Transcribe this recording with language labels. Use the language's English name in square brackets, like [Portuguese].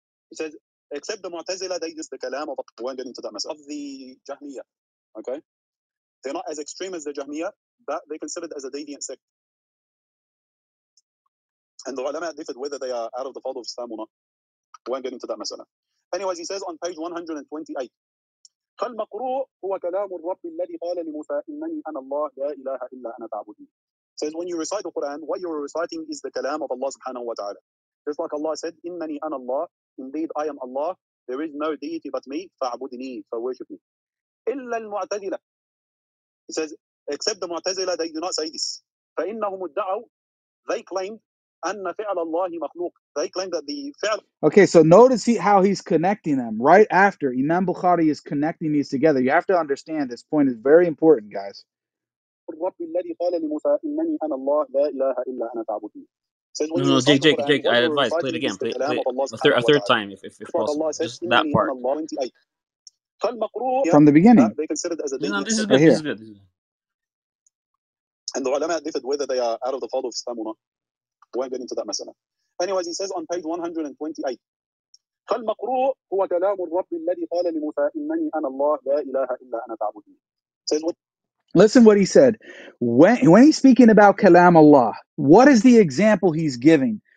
[English] He says, except the Mu'tazila, they use the kalam of, we won't get into that mess, of the Jahmiyyah. Okay? They're not as extreme as the Jahmiyyah, but they consider it as a deviant sect. And the ulama differed whether they are out of the fold of Islam or not. We won't get into that mess. Anyways, he says on page 128, [Arabic] قال مقروء هو كلام الرب الذي قال لموسى إنني أنا الله لا إله إلا أنا تعبدني. [English] Says when you recite the Quran, what you're reciting is the kalam of Allah subhanahu wa ta'ala. Just like Allah said, [Arabic] إنني أنا الله, [English] indeed I am Allah, there is no deity but me, فاعبدني, so worship me. [Arabic] إلا المعتزلة. [English] He says, except the Mu'tazila, they do not say this. [Arabic] فإنهم ادعوا, [English] they claimed, [Arabic] أن فعل الله مخلوق. [English] They claim that the فعل... Okay, so notice how he's connecting them. Right after, Imam Bukhari is connecting these together. You have to understand this point is very important, guys. [Arabic] الرب الذي قال لموسى إنني أنا الله لا إله إلا أنا تعبدني. [English] No, Jake, I advise, play it again. Play a third time, if possible. Just that part. From the beginning. No, this is good. And the ulama differed whether they are out of the fold of Islam or not. We won't get into that masala. Anyways, he says on page 128, [Arabic] قال مقروء هو كلام الرب الذي قال لموسى إنني أنا الله لا إله إلا أنا تعبدني. [English] Listen what he said. When he's speaking about kalam Allah, what is the example he's giving?